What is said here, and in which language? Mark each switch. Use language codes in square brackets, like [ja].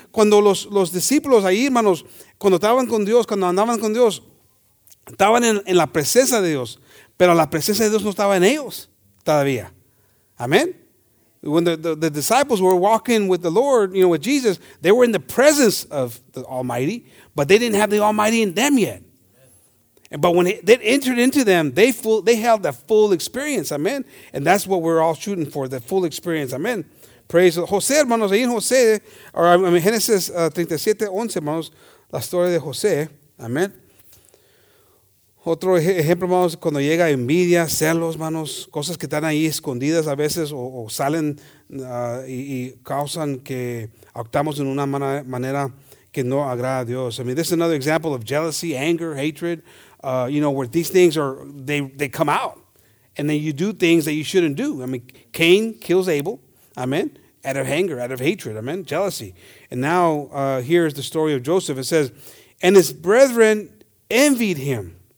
[es] Cuando los discípulos ahí, hermanos, cuando estaban con Dios, cuando andaban con Dios, estaban en la presencia de Dios, pero la presencia de Dios no estaba en ellos todavía. Amén. [en] When the disciples were walking with the Lord, you know, with Jesus, they were in the presence of the Almighty, but they didn't have the Almighty in them yet. But when they entered into them, they held the full experience, amen? And that's what we're all shooting for, the full experience, amen? [es] Praise Jose, hermanos, ahí en Jose, [en] or I mean, [es] Genesis 37:11, hermanos, la historia de Jose, amen? Otro ejemplo, hermanos, cuando llega envidia, celos, hermanos, cosas que están ahí escondidas a veces o salen y causan que actuamos en una manera que no agrada a Dios. [en] I mean, this is another example of jealousy, anger, hatred, you know, where these things are, they come out. And then you do things that you shouldn't do. I mean, Cain kills Abel, amen, out of anger, out of hatred, amen, jealousy. And now here's the story of Joseph. It says, and his brethren envied him.